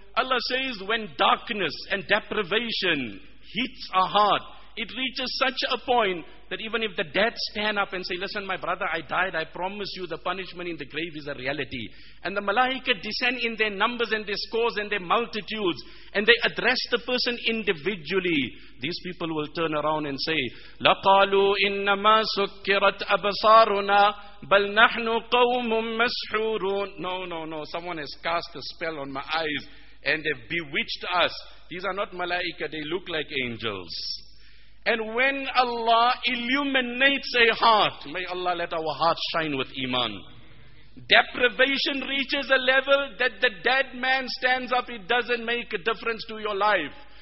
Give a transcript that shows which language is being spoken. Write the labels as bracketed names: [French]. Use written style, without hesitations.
[English] Allah says, when darkness and deprivation hits a heart, it reaches such a point that even if the dead stand up and say, listen, my brother, I died, I promise you the punishment in the grave is a reality. And the malaika descend in their numbers and their scores and their multitudes, and they address the person individually. These people will turn around and say, [Arabic] لَقَالُوا إِنَّمَا سُكِّرَتْ أَبْصَارُنَا بَلْ نَحْنُ قَوْمٌ مَسْحُورُونَ. [English] No, someone has cast a spell on my eyes and they've bewitched us. These are not malaika, they look like angels. And when Allah illuminates a heart, may Allah let our hearts shine with iman. Deprivation reaches a level that the dead man stands up, it doesn't make a difference to your life.